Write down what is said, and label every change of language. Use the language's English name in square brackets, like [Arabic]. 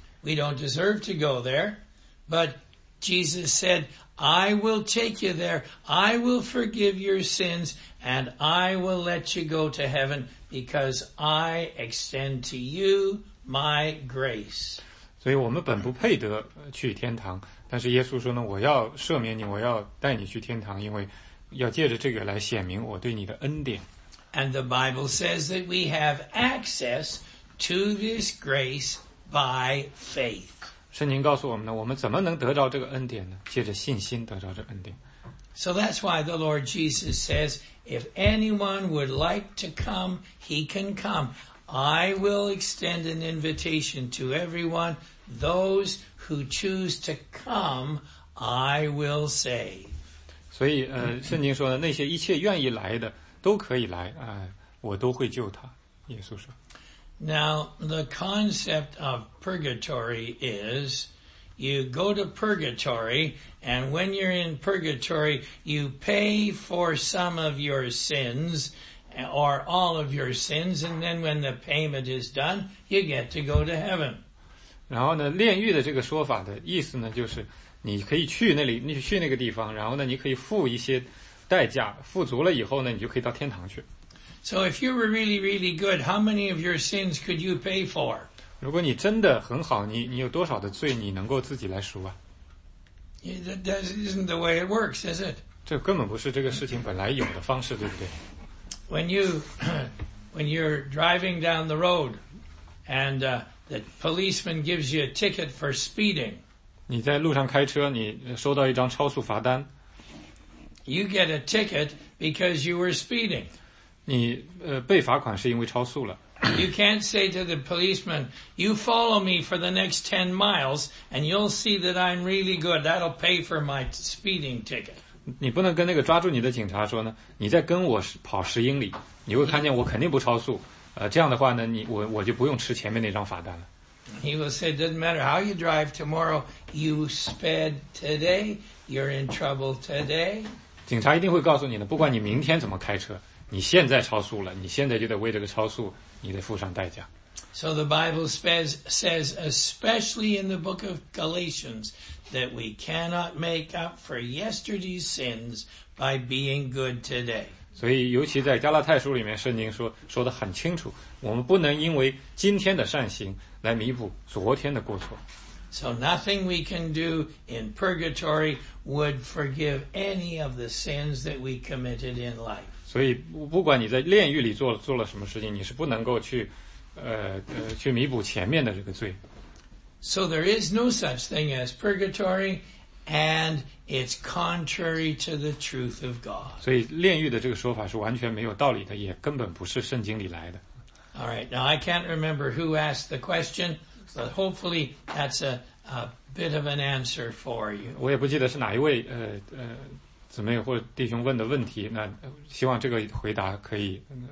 [English] We don't deserve to go there, but Jesus said, I will take you there, I will forgive your sins, and I will let you go to heaven because I extend to you my grace. [Chinese] 所以我们本不配得去天堂，但是耶稣说呢，我要赦免你，我要带你去天堂，因为要借着这个来显明我对你的恩典。 [English] And the Bible says that we have access to this grace by faith. [Chinese] 圣经告诉我们呢，我们怎么能得着这个恩典呢？借着信心得着这恩典。 [English] So that's why the Lord Jesus says, if anyone would like to come, he can come. I will extend an invitation to everyone. Those who choose to come, I will save. [Chinese] 所以圣经说呢，那些一切愿意来的都可以来，我都会救他，耶稣说。 [English] Now, the concept of purgatory is you go to purgatory, and when you're in purgatory, you pay for some of your sins or all of your sins, and then when the payment is done, you get to go to heaven. [Chinese] 然后呢，炼狱的这个说法的意思呢，就是你可以去那里，你去那个地方，然后呢，你可以付一些代价，付足了以后呢，你就可以到天堂去。 [English] So if you were really, really good, how many of your sins could you pay for? [Chinese] 如果你真的很好，你有多少的罪你能够自己来赎啊？ [English] That isn't the way it works, is it? [Chinese] 这根本不是这个事情本来有的方式，对不对？ [English] When you're driving down the road, and the policeman gives you a ticket for speeding. [Chinese] 你在路上开车，你收到一张超速罚单。 [English] You get a ticket because you were speeding. [Chinese] 你被罚款是因为超速了。 [English] You can't say to the policeman, you follow me for the next 10 miles, and you'll see that I'm really good. That'll pay for my speeding ticket. [Chinese] 你不能跟那个抓住你的警察说呢，你再跟我跑十英里，你会看见我肯定不超速。这样的话呢，我就不用吃前面那张罚单了。 [English] He will say, it doesn't matter how you drive tomorrow, you sped today, you're in trouble today. [Chinese] 警察一定会告诉你呢，不管你明天怎么开车。你现在超速了，你现在就得为这个超速，你得付上代价。 [English] So the Bible says, especially in the book of Galatians, that we cannot make up for yesterday's sins by being good today. [Chinese] 所以尤其在加拉太书里面，圣经说得很清楚，我们不能因为今天的善行来弥补昨天的过错。 [English] So nothing we can do in purgatory would forgive any of the sins that we committed in life. [Chinese] 所以不管你在炼狱里做了什么事情，你是不能够去弥补前面的这个罪。 [English] So there is no such thing as purgatory, and it's contrary to the truth of God. [Chinese] 所以炼狱的这个说法是完全没有道理的，也根本不是圣经里来的。 [English] All right, now I can't remember who asked the question, but hopefully that's a bit of an answer for you. [Chinese] 我也不记得是哪一位姊妹或弟兄问的问题，那希望这个回答可以。